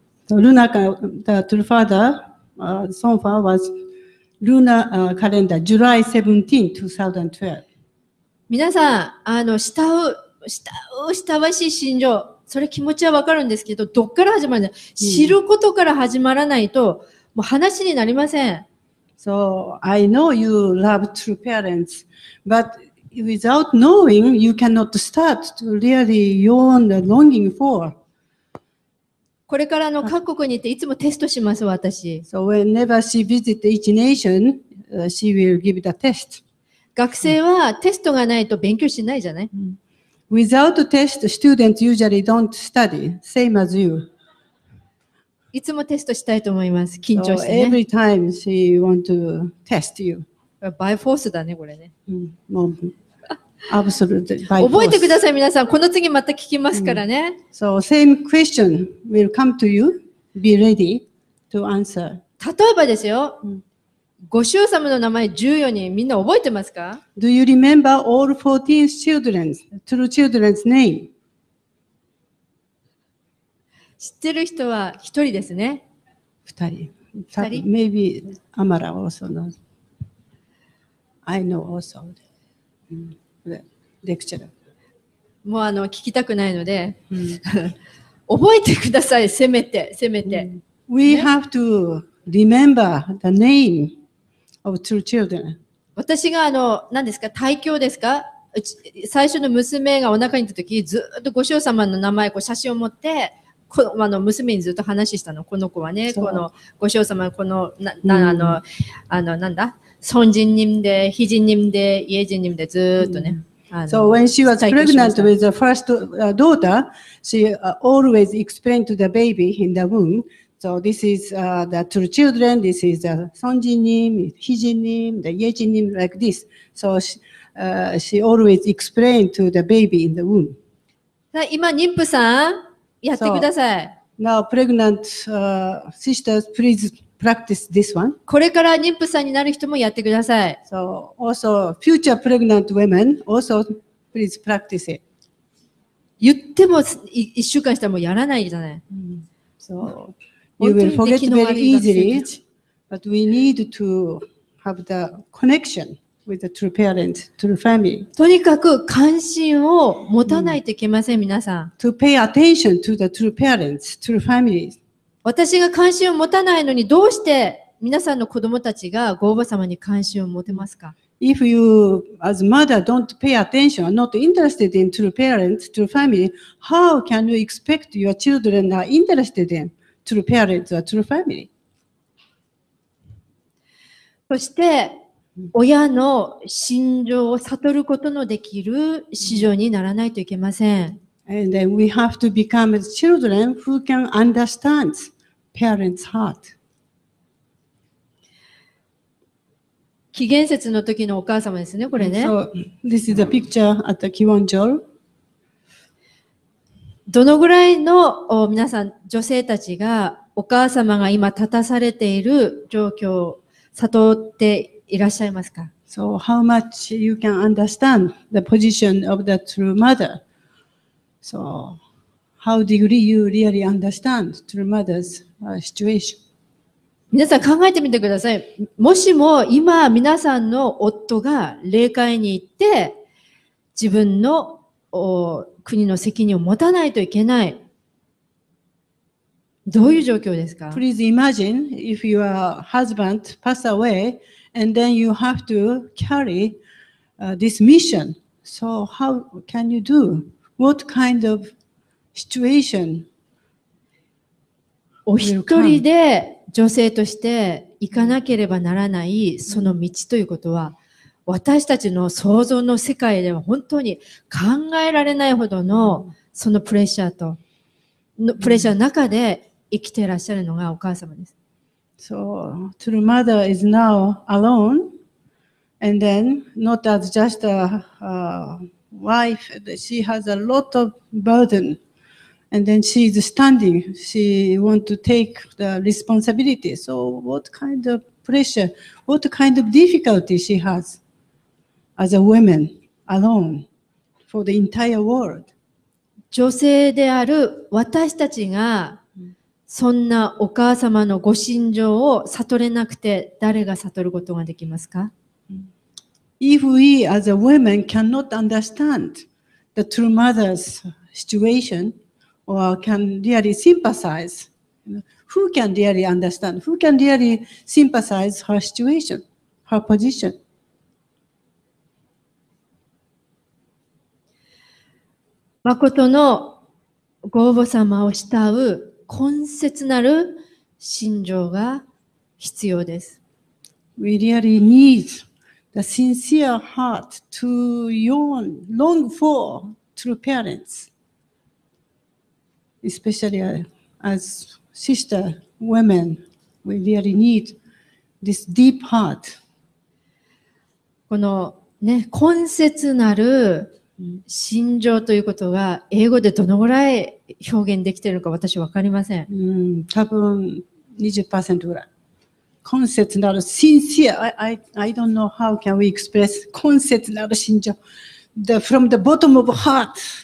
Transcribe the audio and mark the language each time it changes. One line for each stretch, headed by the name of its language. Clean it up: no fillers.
English: ルナカ、トゥルファーダー、ソンファーはルナカレンダー、July 17, 2012。
Japanese: 皆さん、慕わしい心情、それ気持ちはわかるんですけど、どっから始まるの、知ることから始まらないと、もう話になりません。
English: So, I know you love true parents, but without knowing, you cannot start to really yearn the longing for.
Japanese: これからの各国に行っていつもテストします、私。
English: So, whenever she visits each nation, she will give the test.
Japanese: 学生はテストがないと勉強しないじゃない
English: Without a test, students usually don't study, same as you.
Japanese: いつもテストしたいと思います。緊張してね。
English: So, every time she want to test you. By force
Japanese: だね、これね。もう、absolutely
English: by force.
Japanese: 覚えてください、皆さん。この次また聞きますからね。
English: So, same question will come to you. Be ready to answer.
Japanese: 例えばですよ。ご主様の名前14人、みんな覚えてますか？
English: Do you remember all 14 children's, true children's name?
Japanese: 知ってる人は一人ですね。二人。
English: Maybe Amara also knows. I know also. Lecture.
Japanese: もう聞きたくないので、覚えてください、せめて。
English: We have to remember the name of true children.
Japanese: 私が何ですか、胎教ですか、最初の娘がお腹にいた時、ずっとご主様の名前、写真を持って、この娘にずっと話したの。この子はね、このご主様、このな、うん、なんだ、孫人人で、非人人で、家人人でずっとね。
English: So when she was pregnant with the first daughter, she always explained to the baby in the womb, so this is the true children, this is the 孫人人、非人人、the 家人人 like this. So she always explained to the baby in the womb.
Japanese: 今、妊婦さん、やってください。
English: So, now, pregnant sisters, please practice this one.
Japanese: これから妊婦さんになる人もやってください。
English: So, also, future pregnant women, also, please practice it.
Japanese: 言っても一週間したらもうやらないじゃない。
English: So, you will forget very easily, but we need to have the connection with the true parents, true family.
Japanese: とにかく関心を持たないといけません、皆さん。
English: To pay attention to the true parents, true families.
Japanese: 私が関心を持たないのに、どうして皆さんの子供たちがご叔母様に関心を持てますか？
English: If you, as mother, don't pay attention, are not interested in true parents, true family, how can you expect your children are interested in true parents or true family?
Japanese: そして、親の心情を悟ることのできる子女にならないといけません。
English: And then we have to become children who can understand parents' heart.
Japanese: 紀元節の時のお母様ですね、これね。
English: So, this is a picture at the Kiwanjol.
Japanese: どのぐらいの皆さん、女性たちがお母様が今立たされている状況を悟っていらっしゃいますか？
English: So, how much you can understand the position of the true mother? So, how degree you really understand true mother's situation?
Japanese: 皆さん考えてみてください。もしも今皆さんの夫が霊界に行って自分の国の責任を持たないといけない。どういう状況ですか？
English: Please imagine if your husband passed away and then you have to carry this mission. So how can you do? What kind of situation?
Japanese: お一人で女性として行かなければならないその道ということは私たちの想像の世界では本当に考えられないほどのそのプレッシャーとプレッシャーの中で生きていらっしゃるのがお母様です。
English: So, true mother is now alone and then not as just a wife, she has a lot of burden. And then she's standing. She wants to take the responsibility. So what kind of pressure, what kind of difficulty she has as a woman alone for the entire world?
Japanese: 女性である私たちがそんなお母様のご心情を悟れなくて誰が悟ることができますか？
English: If we as a woman cannot understand the true mother's situation,or can really sympathize. Who can really understand? Who can really sympathize her situation, her position?
Japanese: 誠のご父様を慕う懇切なる心情が必要です。
English: We really need the sincere heart to yearn, long for true parents. Especially as sister women, we really need this deep heart.
Japanese: このね、懇切なる心情ということが英語でどのぐらい表現できているか私わかりません。多分 20% ぐらい。懇切なる sincere.
English: I don't know how can we express 懇切なる心情 the, from the bottom of heart.